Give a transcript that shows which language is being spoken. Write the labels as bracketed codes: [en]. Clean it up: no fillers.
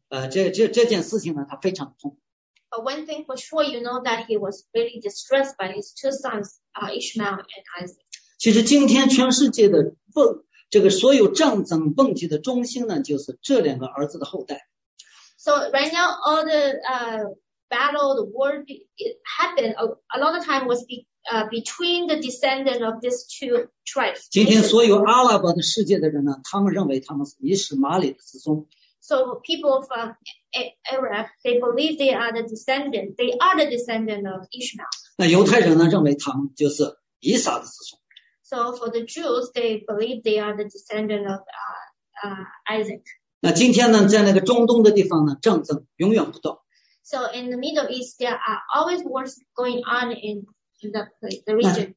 [zh] 这件事情呢，他非常痛。 [en] But one thing for sure, you know that he was really distressed by his two sons, Ishmael and Isaac. [zh] 其实今天全世界的问这个所有战争问题的中心呢，就是这两个儿子的后代。 [en] So right now, all the battle, the war, it happened a lot of time was between the descendant of these two tribes. [zh] 今天所有阿拉伯的世界的人呢，他们认为他们是伊什玛里的子孙。 [en] So people from Arab, they believe they are the descendant. They are the descendant of Ishmael. [zh] 那犹太人呢，认为他们就是以撒的子孙。 [en] So for the Jews, they believe they are the descendant of Isaac. [zh] 那今天呢，在那个中东的地方呢，战争永远不断。 [en] So in the Middle East, there are always wars going on in the region.